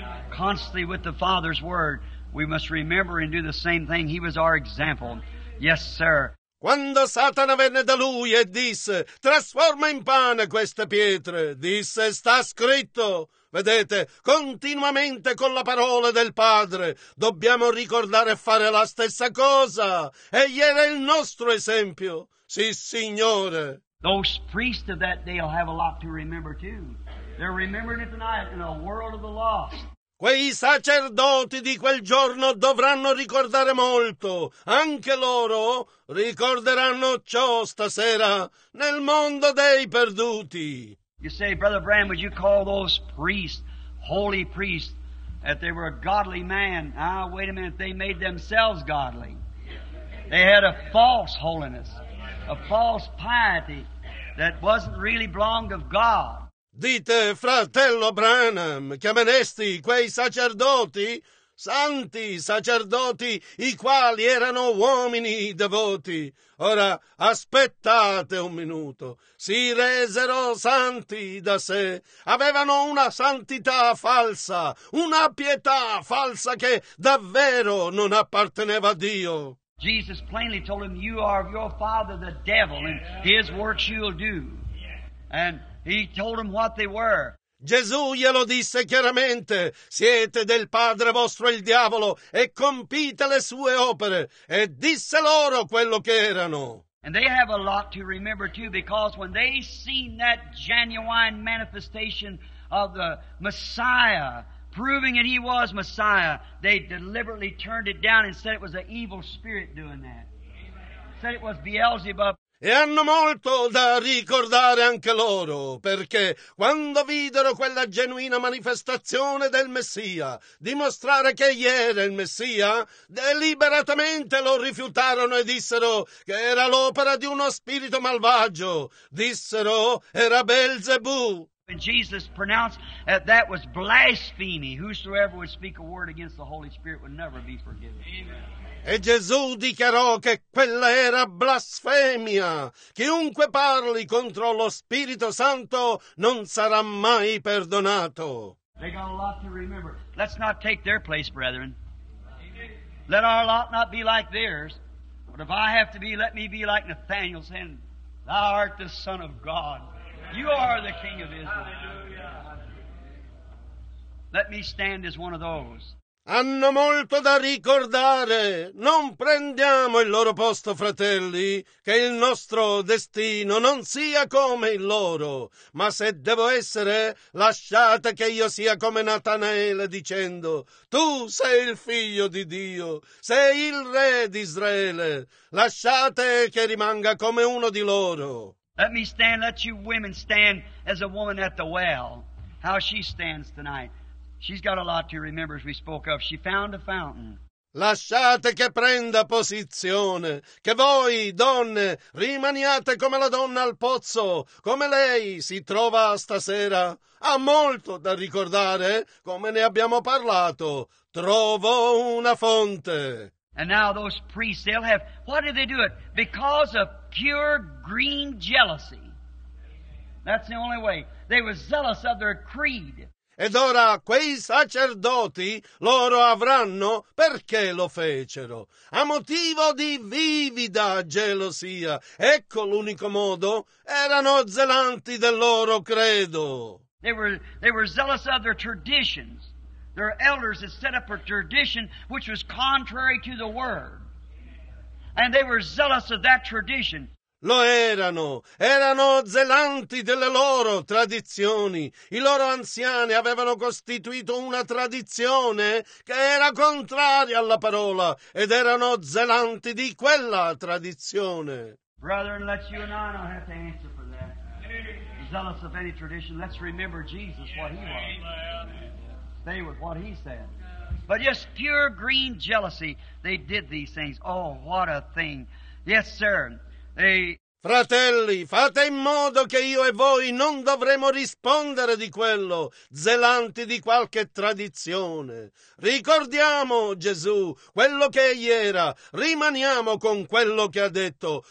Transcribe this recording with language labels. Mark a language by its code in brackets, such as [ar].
[en] Constantly with the Father's word, we must remember and do the same thing. He was our example. Yes, sir. [it] Quando Satana venne da lui e disse, trasforma in pane queste pietre, disse, sta scritto. Vedete, continuamente con la parola del Padre, dobbiamo ricordare e fare la stessa cosa. Egli era il nostro esempio. Sì, Signore. [en] Those priests of that day will have a lot to remember too. They're remembering it tonight in a world of the lost. [it] Quei sacerdoti di quel giorno dovranno ricordare molto. Anche loro ricorderanno ciò stasera nel mondo dei perduti. [en] You say, Brother Bram, would you call those priests, holy priests, that they were a godly man? Ah, wait a minute, they made themselves godly. They had a false holiness, a false piety that wasn't really belonged of God. [it] Dite, fratello Branham, chiameresti quei sacerdoti, santi sacerdoti, i quali erano uomini devoti. Ora, aspettate un minuto. Si resero santi da sé. Avevano una santità falsa, una pietà falsa che davvero non apparteneva a Dio. [en] Jesus plainly told him, you are of your father the devil, and his works you'll do. And he told them what they were. [it] Gesù glielo disse chiaramente, siete del padre vostro il diavolo e compite le sue opere, e disse loro quello che erano. [en] And they have a lot to remember too, because when they seen that genuine manifestation of the Messiah, proving that he was Messiah, they deliberately turned it down and said it was an evil spirit doing that. Said it was Beelzebub. [it] E hanno molto da ricordare anche loro, perché quando videro quella genuina manifestazione del Messia, dimostrare che egli era il Messia, deliberatamente lo rifiutarono e dissero che era l'opera di uno spirito malvagio. Dissero, era Belzebù. [en] And Jesus pronounced that that was blasphemy. Whosoever would speak a word against the Holy Spirit would never be forgiven. Amen. [it] E Gesù dichiarò che quella era blasfemia. Chiunque parli contro lo Spirito Santo non sarà mai perdonato. [en] They got a lot to remember. Let's not take their place, brethren. Let our lot not be like theirs. But if I have to be, let me be like Nathanael, saying, Thou art the Son of God. You are the King of Israel. Let me stand as one of those. [it] Hanno molto da ricordare. Non prendiamo il loro posto, fratelli, che il nostro destino non sia come il loro. Ma se devo essere, lasciate che io sia come Natanaele, dicendo, tu sei il figlio di Dio, sei il re di Israele. Lasciate che rimanga come uno di loro. [en] Let me stand, let you women stand as a woman at the well. How she stands tonight. She's got a lot to remember, as we spoke of. She found a fountain. [it] Lasciate che prenda posizione. Che voi, donne, rimaniate come la donna al pozzo, come lei si trova stasera. Ha molto da ricordare, come ne abbiamo parlato. Trovo una fonte. [en] And now those priests, they'll have... Why do they do it? Because of pure green jealousy. That's the only way. They were zealous of their creed. [it] Ed ora quei sacerdoti loro avranno perché lo fecero. A motivo di vivida gelosia. Ecco l'unico modo. Erano zelanti del loro credo. [en] They were zealous of their traditions. Their elders had set up a tradition which was contrary to the word. And they were zealous of that tradition. [it] Lo erano. Erano zelanti delle loro tradizioni. I loro anziani avevano costituito una tradizione che era contraria alla parola ed erano zelanti di quella tradizione. [en] Brethren, let you and I not have to answer for that. zealous of any tradition. Let's remember Jesus, what he was. Stay with what he said. But just pure green jealousy, they did these things. Oh, what a thing. Yes, sir. [it] Fratelli, fate in modo che io e voi non dovremo rispondere di quello, zelanti di qualche tradizione. Ricordiamo Gesù, quello che egli era, rimaniamo con quello che ha detto.